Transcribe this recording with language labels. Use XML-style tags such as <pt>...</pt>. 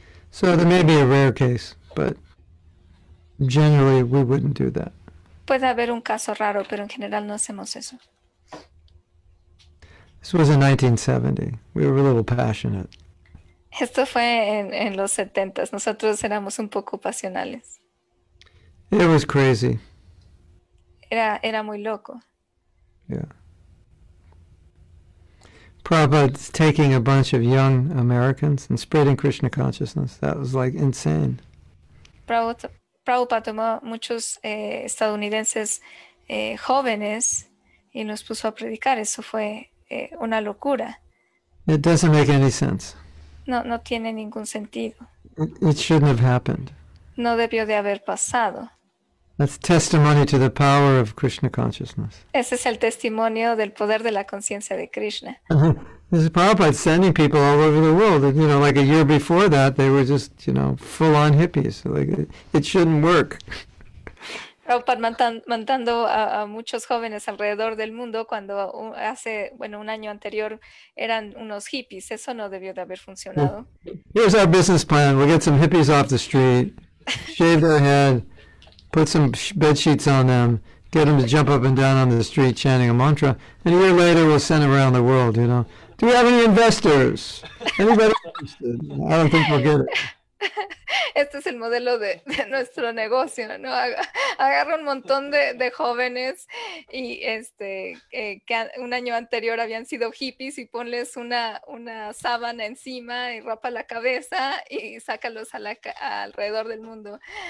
<en>So there may be a rare case, but generally we wouldn't do that.</en> <es>Puede haber un caso raro, pero en general no hacemos eso.</es> <en>This was in 1970. We were a little passionate.</en> <es>Esto fue en los 70s. Nosotros éramos un poco pasionales.</es> <en>It was crazy.</en> <es>Era muy loco.</es> <en>Yeah. Prabhupada's taking a bunch of young Americans and spreading Krishna consciousness. That was like insane.</en> <es>Prabhupada tomó muchos estadounidenses jóvenes y los puso a predicar. Eso fue una locura.</es> <en>It doesn't make any sense.</en> <es>No tiene ningún sentido.</es> <en>It shouldn't have happened.</en> <es>No debió de haber pasado.</es> <en>That's testimony to the power of Krishna consciousness.</en> <es>Ese es el testimonio del poder de la conciencia de Krishna.</es> <en>This is Prabhupada sending people all over the world. And, you know, like a year before that, they were just, you know, full-on hippies. Like, it shouldn't work.</en> <es>Prabhupada mandando a muchos jóvenes alrededor del mundo cuando un año anterior eran unos hippies. Eso no debió de haber funcionado.</es> <en>Here's our business plan. We'll get some hippies off the street, shave their head, put some bed sheets on them, get them to jump up and down on the street chanting a mantra, and a year later we'll send them around the world, you know. Do we have any investors? Anybody interested? I don't think we'll get it.</en> <es>Este es el modelo de nuestro negocio, ¿no? Agarra un montón de jóvenes y que un año anterior habían sido hippies y ponles una sábana encima y rapa la cabeza y sácalos a alrededor del mundo.</es>